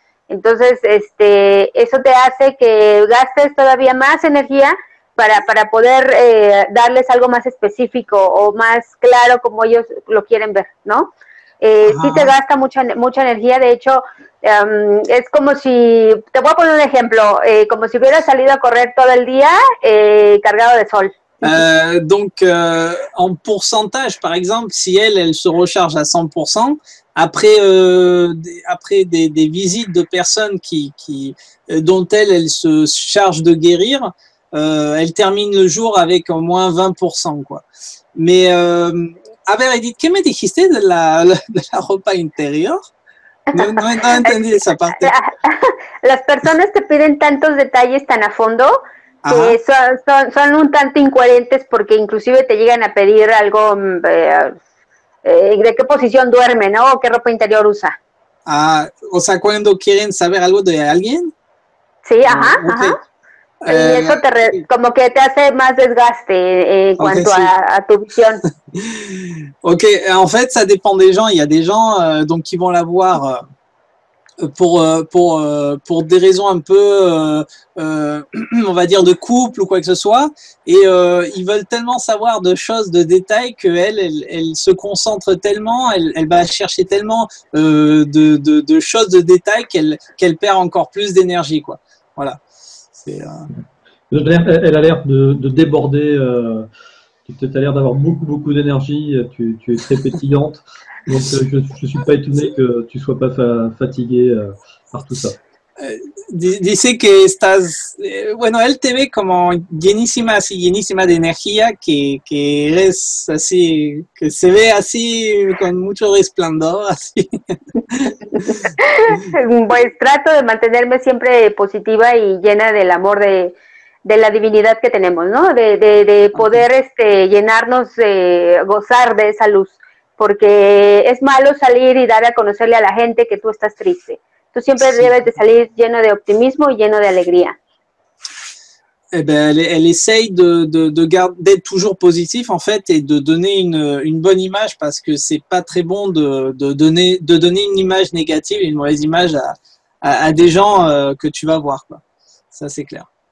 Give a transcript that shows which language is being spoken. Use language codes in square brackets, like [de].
[es] Entonces, eso te hace que gastes todavía más energía para poder darles algo más específico o más claro como ellos lo quieren ver, ¿no? Sí te gasta mucha energía. De hecho, es como si, te voy a poner un ejemplo, como si hubieras salido a correr todo el día cargado de sol. [fr] En pourcentage, par exemple, si elle se recharge à 100%, après des visites de personnes dont elle se charge de guérir, elle termine le jour avec au moins 20%, quoi. Mais, [es] a ver, Edith, ¿qué me dijiste de la ropa interior? No entendí esa parte. Las personas te piden tantos detalles tan a fondo. Son un tanto incoherentes porque inclusive te llegan a pedir algo de qué posición duerme, ¿no? O qué ropa interior usa. Ah, o sea, cuando quieren saber algo de alguien. Sí, ajá. Okay. Ajá. Y eso como que te hace más desgaste en cuanto a tu visión. [fr] Ok, en fait, ça dépend des gens. Il y a des gens donc qui vont la voir pour des raisons un peu on va dire de couple ou quoi que ce soit et ils veulent tellement savoir de choses, de détails que elle se concentre tellement, elle va chercher tellement de choses, de détails qu'elle perd encore plus d'énergie, quoi. Voilà. Elle a l'air de déborder, tu as l'air d'avoir beaucoup d'énergie, tu es très pétillante. Donc, je ne suis pas étonné que tu ne sois pas fatigué par tout ça. [es] Dice que estás... Bueno, él te ve como llenísima, así, llenísima de energía, que eres así... Que se ve así, con mucho resplandor, así. Pues trato de mantenerme siempre positiva y llena del amor de la divinidad que tenemos, ¿no? De poder llenarnos, gozar de esa luz. Porque es malo salir y dar a conocerle a la gente que tú estás triste. Tú siempre debes de salir lleno de optimismo y lleno de alegría. [fr] Elle essaye d'être toujours positive, en fait, et de donner une bonne image, parce que c'est pas très bon de donner une image négative, une mauvaise image à des gens que tu vas voir, quoi. Ça, c'est clair.